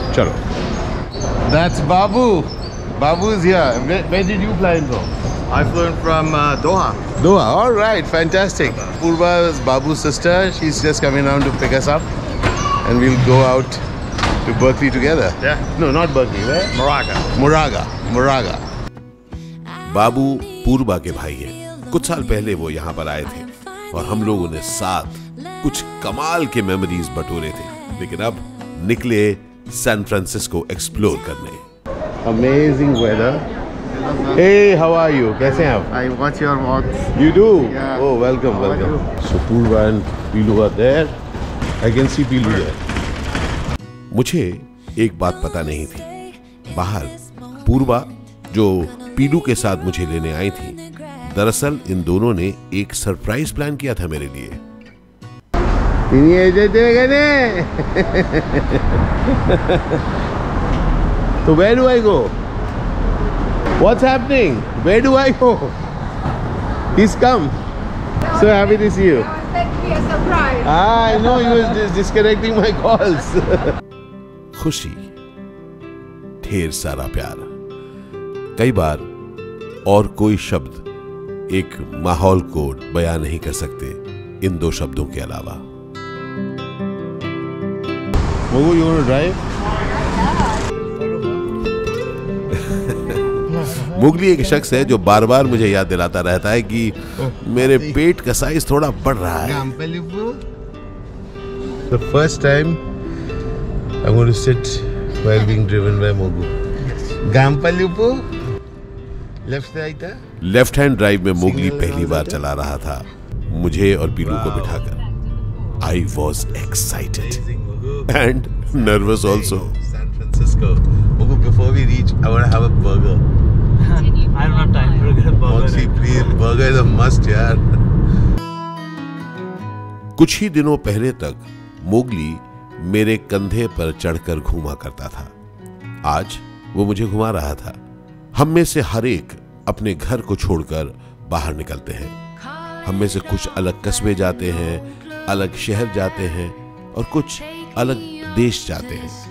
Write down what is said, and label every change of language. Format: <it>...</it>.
<en>Chalo. That's Babu. Babu is here. Where did you fly in from? I flew in from Doha. Doha, all right, fantastic. Purva is Babu's sister. She's just coming down to pick us up, and we'll go out to Berkeley together. Yeah. No, not Berkeley. Where? Moraga. Moraga. Moraga.</en> <hi>Babu Purva के भाई हैं. कुछ साल पहले वो यहाँ पर आए थे, और हम लोगों ने साथ कुछ कमाल के memories बटोरे थे. लेकिन अब निकले San Francisco explore करने.</hi> <en>Amazing weather. Hey, how are you? Kaise hain aap? I watch your vlog. You do? Yeah. Oh, welcome, how welcome. So Purva and Piloo are there. I can see Piloo there. मुझे एक बात पता नहीं थी.</en> <hi>बाहर Purva जो Piloo के साथ मुझे लेने आई थी, दरअसल इन दोनों ने एक सरप्राइज प्लान किया था मेरे लिए. इन्हीं ऐसे थे क्या ने?</hi> <en>तो where do I go? What's happening? Where do I go? He's come. So happy to see you. I know you was disconnecting my calls.</en> <hi>खुशी, ढेर सारा प्यार. कई बार और कोई शब्द एक माहौल को बयां नहीं कर सकते इन दो शब्दों के अलावा.</hi> <en>Mogu, you wanna drive?</en> <hi>मुगली एक शख्स है जो बार बार मुझे याद दिलाता रहता है कि मेरे पेट का साइज थोड़ा बढ़ रहा है.</hi> <en>The first time I'm going to sit while being driven by Mogu. Gampalupu. Left side.</en> <hi>Left hand drive में मुगली पहली बार चला रहा था. मुझे और पीलू को बिठाकर.</hi> <en>I was excited and nervous also. Before we reach, I want to have a burger. I don't have time for a burger. Mowgli, please, burger is a must, yaar.</en> <hi>कुछ ही दिनों पहले तक मोगली मेरे कंधे पर चढ़कर घूमा करता था. आज वो मुझे घुमा रहा था. हम में से हर एक अपने घर को छोड़कर बाहर निकलते हैं. हम में से कुछ अलग कस्बे जाते हैं, अलग शहर जाते हैं और कुछ अलग देश जाते हैं.</hi>